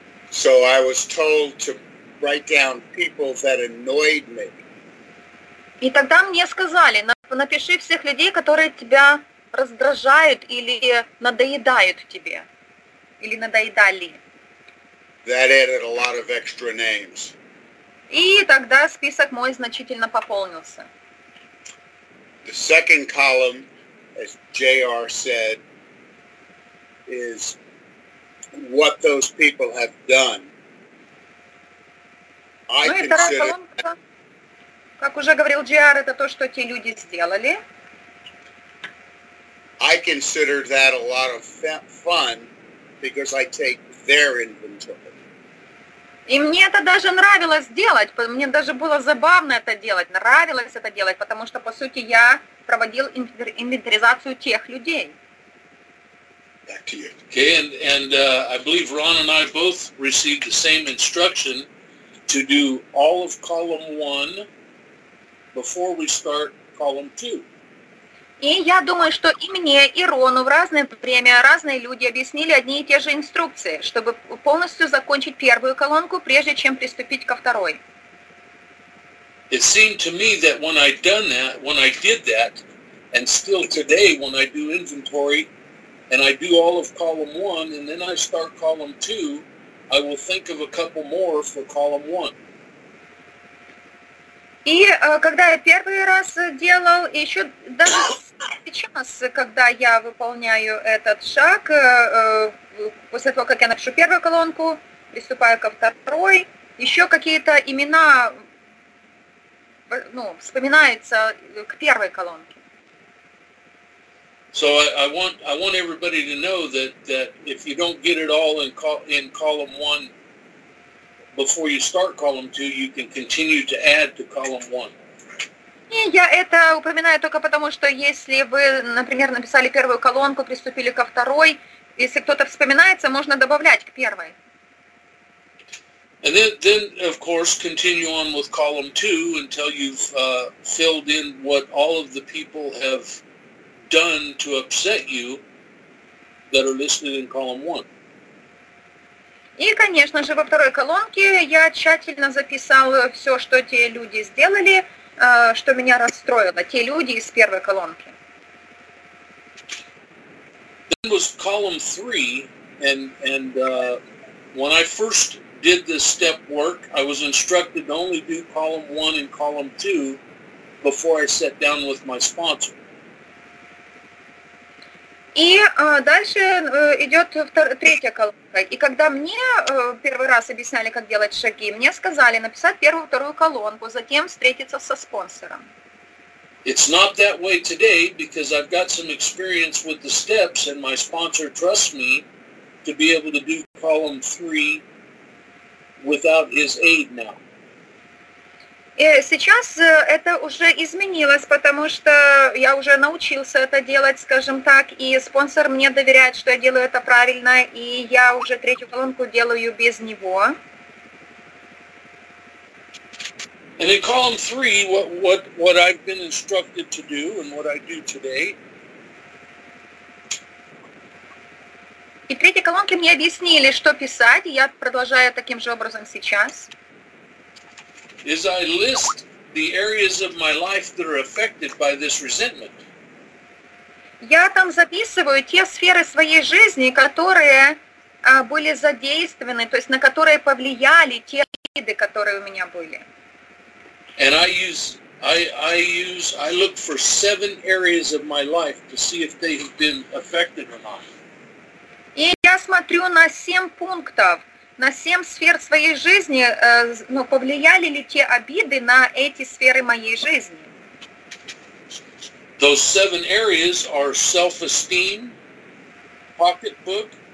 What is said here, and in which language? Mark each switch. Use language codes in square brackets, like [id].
[en] So I was told to write down people that annoyed me. [ru] И тогда мне сказали: напиши всех людей, которые тебя раздражают или надоедают тебе, или надоедали. [en] That added a lot of extra names. [ru] И тогда список мой значительно пополнился. [en] The second column, as JR said, is what those people have done. [ru] Ну и вторая колонка, как уже говорил JR, это то, что те люди сделали. [en] I consider that a lot of fun because I take their inventory. [ru] И мне это даже нравилось делать, мне даже было забавно это делать, нравилось это делать, потому что, по сути, я проводил инвентаризацию тех людей. [en] back to you. Okay, and I believe Ron and I both received the same instruction to do all of column one before we start column two. [ru] И я думаю, что и мне, и Рону в разное время разные люди объяснили одни и те же инструкции, чтобы полностью закончить первую колонку, прежде чем приступить ко второй. [en] It seemed to me that when I done that, when I did that, and still today when I do inventory, and I do all of column one, and then I start column two, I will think of a couple more for column one. [ru] И когда я первый раз делал, еще даже сейчас, когда я выполняю этот шаг, после того, как я напишу первую колонку, приступаю ко второй, еще какие-то имена вспоминаются к первой колонке. [en] So I want everybody to know that if you don't get it all in column one, before you start column two, you can continue to add to column one. [ru] И я это упоминаю только потому, что если вы, например, написали первую колонку, приступили ко второй, если кто-то вспоминается, можно добавлять к первой. [en] And then, of course, continue on with column two until you've filled in what all of the people have done to upset you that are listed in column one. [ru] И, конечно же, во второй колонке я тщательно записал все, что те люди сделали, что меня расстроило, те люди из первой колонки. [en] Then was column three, and when I first did this step work, I was instructed to only do column one and column two before I sat down with my sponsor. [ru] И дальше идет третья колонка. И когда мне первый раз объясняли, как делать шаги, мне сказали написать первую, вторую колонку, затем встретиться со спонсором. [en] It's not that way today, because I've got some experience with the steps, and my sponsor trusts me to be able to do column three without his aid now. [ru] Сейчас это уже изменилось, потому что я уже научился это делать, скажем так, и спонсор мне доверяет, что я делаю это правильно, и я уже третью колонку делаю без него. [en] And in column three, what I've been instructed to do and what I do today. [ru] И в третьей колонке мне объяснили, что писать, и я продолжаю таким же образом сейчас. [en] Is I list the areas of my life that are affected by this resentment. [ru] Я там записываю те сферы своей жизни, которые были задействованы, то есть на которые повлияли те виды, которые у меня были. [en] And I look for seven areas of my life to see if they have been affected or not. [ru] И я смотрю на семь пунктов. На семь сфер своей жизни, повлияли ли те обиды на эти сферы моей жизни? [en] Those seven areas are self-esteem, pocketbook.